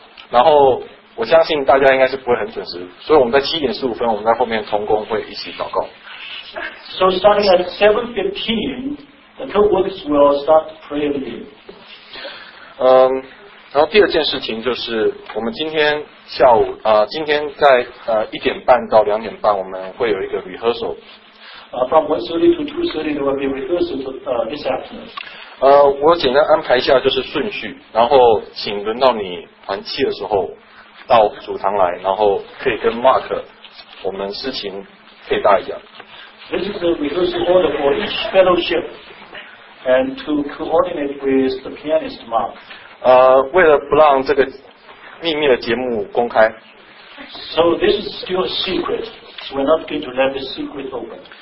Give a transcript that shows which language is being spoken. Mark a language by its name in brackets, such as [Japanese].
[Chinese] 然后我相信大家应该是不会很准时，所以我们在七点十五分，我们在后面同工会一起祷告。 [English] So starting at 7:15, the co-workers will start praying. [Chinese] 然后第二件事情就是我们今天下午今天在一点半到两点半我们会有一个 rehearsal。 [English] From 1:30 to 2:30 there will be rehearsal this afternoon. [Chinese] 我简单安排一下就是顺序，然后请轮到你团契的时候到主堂来，然后可以跟 Mark 我们事情配搭一下。 [English] This is the rehearsal order for each fellowship and to coordinate with the pianist Mark. [Chinese] 为了不让这个秘密的节目公开。 [English] So this is still a secret. So we're not going to let the secret open.